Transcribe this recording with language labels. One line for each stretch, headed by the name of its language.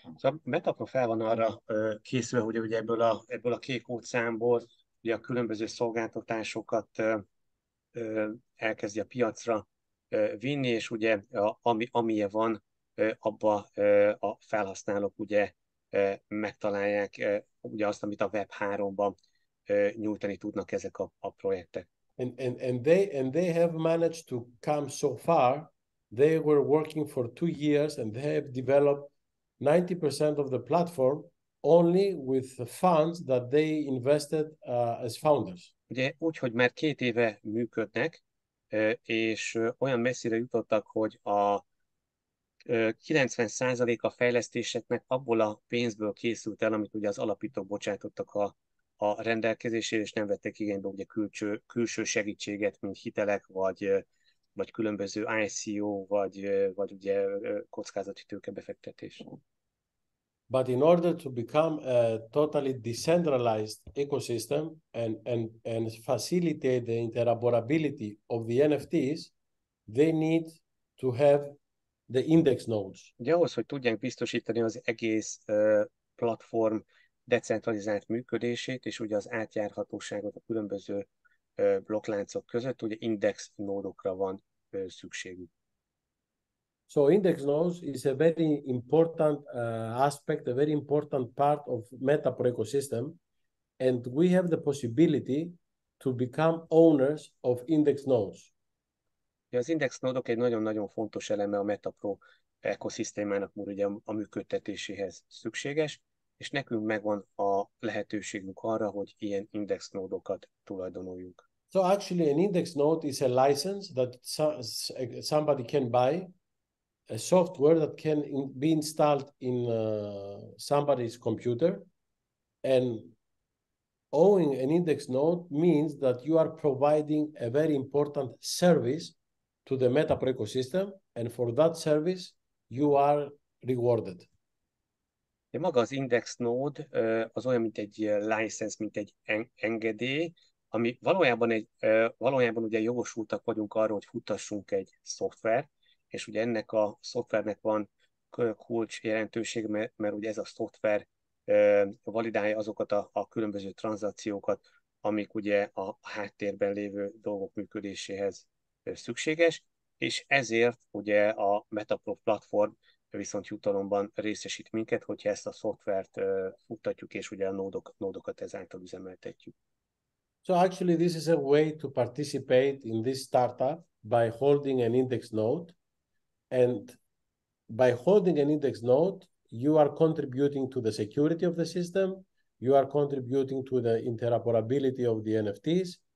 Hungarian: Szóval Metapro fel van arra készülve, hogy ugye ebből a kék óceánból ugye a különböző szolgáltatásokat elkezdi a piacra vinni, és ugye amilyen van, abba a felhasználók ugye megtalálják ugye azt, amit a Web3-ban nyújtani tudnak ezek a projektek.
English: And they have managed to come so far. They were working for 2 years and they have developed 90% of the platform only with the funds that they invested as founders.
Hungarian: Ugye úgy, hogy már 2 éve működnek, és olyan messzire jutottak, hogy a 90% a fejlesztéseknek abból a pénzből készült el, amit ugye az alapítók bocsátottak a rendelkezésére, és nem vettek igénybe ugye külső segítséget, mint hitelek, vagy különböző ICO, vagy ugye kockázati tőkebefektetés.
English: But in order to become a totally decentralized ecosystem and facilitate the interoperability of the NFTs, they need to have the index nodes.
Hungarian: Ugye ahhoz, hogy tudják biztosítani az egész platform decentralizált működését, és ugye az átjárhatóságot a különböző blokkláncok között, ugye index nódokra van szükségük.
English: So index nodes is a very important aspect, a very important part of Metapro ecosystem, and we have the possibility to become owners of index nodes.
Hungarian: Az index nodok egy nagyon-nagyon fontos eleme a Metapro ekoszisztémának, ugye a működtetéséhez szükséges, és nekünk megvan a lehetőségünk arra, hogy ilyen index nódokat tulajdonoljunk.
English: So actually an index node is a license that somebody can buy, a software that can be installed in somebody's computer, and owning an index node means that you are providing a very important service to the Metapro ecosystem, and for that service you are rewarded.
Hungarian: De maga az index node az olyan, mint egy license, mint egy engedély, ami valójában ugye jogosultak vagyunk arra, hogy futtassunk egy szoftver, és ugye ennek a szoftvernek van kulcs jelentőség, mert ugye ez a szoftver validálja azokat a különböző tranzakciókat, amik ugye a háttérben lévő dolgok működéséhez szükséges, és ezért ugye a Metapro platform viszont jutalomban részesít minket, hogyha ezt a szoftvert futtatjuk, és ugye a nódokat ezáltal üzemeltetjük.
English: So actually this is a way to participate in this startup by holding an index node. And by holding an index node, you are contributing to the security of the system. You are contributing to the interoperability of the NFTs.